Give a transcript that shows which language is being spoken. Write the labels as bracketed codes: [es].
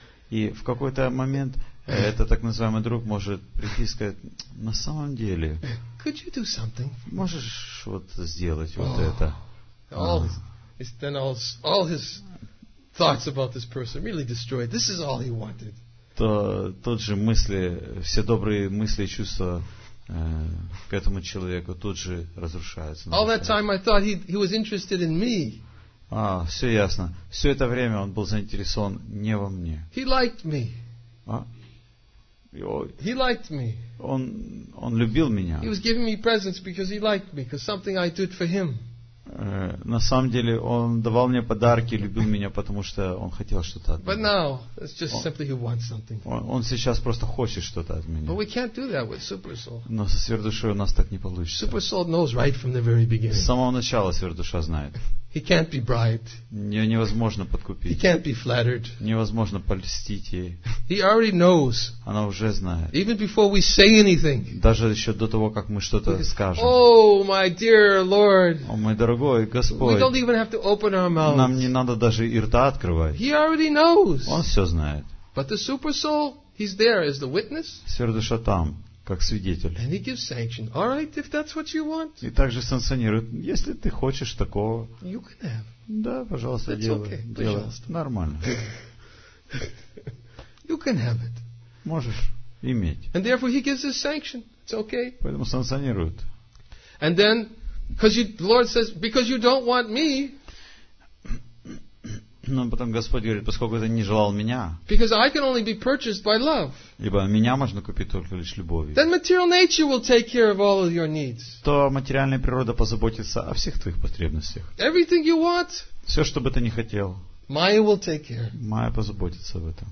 [ru] и в какой-то момент этот так называемый друг может прийти и сказать, на самом деле, [en] could you do something? [ru] Можешь вот сделать вот это? [en] All his thoughts about this person really destroyed. This is all he wanted. [ru] То тот же мысли, все добрые мысли и чувства к этому человеку тут же разрушаются. [en] All that time I thought he was interested in me. [ru] А, все ясно. Все это время он был заинтересован не во мне. [en] He liked me. He liked me. [ru] Он любил меня. [en] He was giving me presents because he liked me, because something I did for him. [ru] На самом деле он давал мне подарки, любил меня, потому что он хотел что-то от меня. [en] But now it's just simply he wants something. [ru] Он сейчас просто хочет что-то от меня. [en] But we can't do that with Super Soul. [ru] Но со Сверхдушой у нас так не получится. [en] Super Soul knows right from the very beginning. [ru] С самого начала Сверхдуша знает. [en] He can't be bribed. [ru] Ее невозможно подкупить. [en] He can't be flattered. [ru] Невозможно польстить ей. [en] He already knows. [ru] Она уже знает. [en] Even before we say anything. [ru] Даже еще до того, как мы что-то скажем. [en] Oh, my dear Lord. [ru] О, мой дорогой Господь. [en] We don't even have to open our mouths. [ru] Нам не надо даже и рта открывать. [en] He already knows. [ru] Он все знает. [en] But the super soul, he's there as the witness. [ru] Сверхдуша там, как свидетель. [en] And he gives sanction. All right, if that's what you want. [ru] И также санкционирует, если ты хочешь такого. [en] You can have. [ru] Да, пожалуйста, [en] that's [ru] делай. [en] Okay, [ru] делай. Пожалуйста. Нормально. [en] You can have it. [ru] Можешь иметь. [en] And therefore he gives his sanction. It's okay. [ru] Поэтому санкционирует. [en] And then, because the Lord says, because you don't want me. [ru] Но потом Господь говорит, поскольку ты не желал меня. [en] Because I can only be purchased by love. [ru] Ибо меня можно купить только лишь любовью. [en] Then material nature will take care of all of your needs. [ru] То материальная природа позаботится о всех твоих потребностях. [en] Everything you want. [ru] Все, что бы ты ни хотел. [en] Maya will take care. [ru] Майя позаботится об этом.